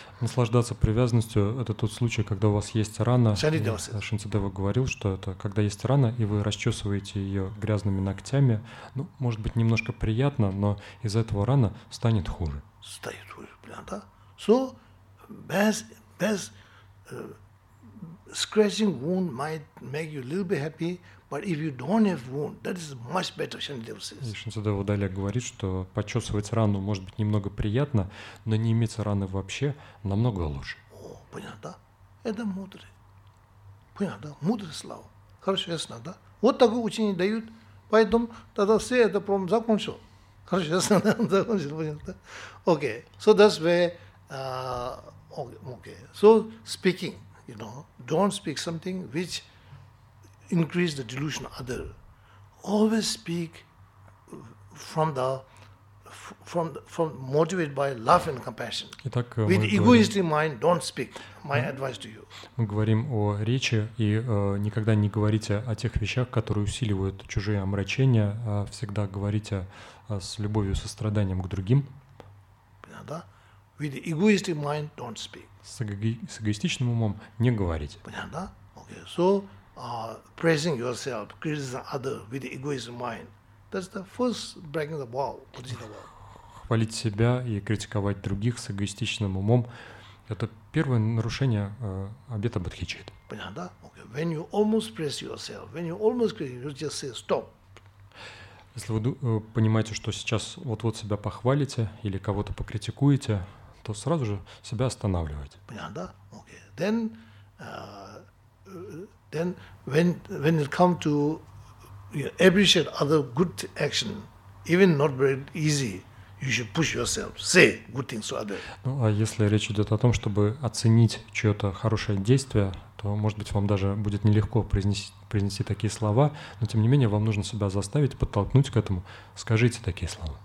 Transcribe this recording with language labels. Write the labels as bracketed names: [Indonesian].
[Russian] Наслаждаться привязанностью – это тот случай, когда у вас есть рана. Шинцедева говорил, что это когда есть рана, и вы расчесываете ее грязными ногтями. Ну, может быть, немножко приятно, но из-за этого рана станет хуже. Станет хуже, блин, да? [English] So, best scratching wound might make you a little bit happy, but if you don't have wound, that is much better, Шинцедева says. [Russian] Шинцедева далее говорит, что почесывать рану может быть немного приятно, но не иметь раны вообще намного лучше. О, понятно, да? Это мудрый. Понятно, да? Мудрый слава. Хорошо, ясно, да? Вот такое учение дают, поэтому тогда все это прям закончил. Хорошо, ясно, да? Закончил, понятно, да? Окей, [English] so that's where, okay. So speaking, you know, don't speak something which increase the delusion of other. Always speak from motivated by love and compassion. [Russian] Итак, [English] with egoistic mind, don't speak. My advice to you. [Russian] Мы говорим о речи и никогда не говорите о тех вещах, которые усиливают чужие омрачения, а всегда говорите с любовью, состраданием к другим. Понятно, да? [English] With egoistic mind, don't speak. [Russian] С эгоистичным умом не говорите. Понятно, да? Okay. [English] So, praising yourself, criticizing other with egoistic mind. That's the first breaking the wall. [Russian] Хвалить себя и критиковать других с эгоистичным умом – это первое нарушение обета бодхичит. Понятно, да? Okay. [English] When you almost praise yourself, when you almost criticize, you just say stop. [Russian] Если вы понимаете, что сейчас вот-вот себя похвалите или кого-то покритикуете, то сразу же себя останавливаете. Понятно, да? Okay. [English] Then, when it comes to appreciate other good action, even not very easy, you should push yourself, say good things to others. [Russian] Ну, а если речь идет о том, чтобы оценить чье-то хорошее действие, то, может быть, вам даже будет нелегко произнести такие слова, но, тем не менее, вам нужно себя заставить, подтолкнуть к этому. Скажите такие слова.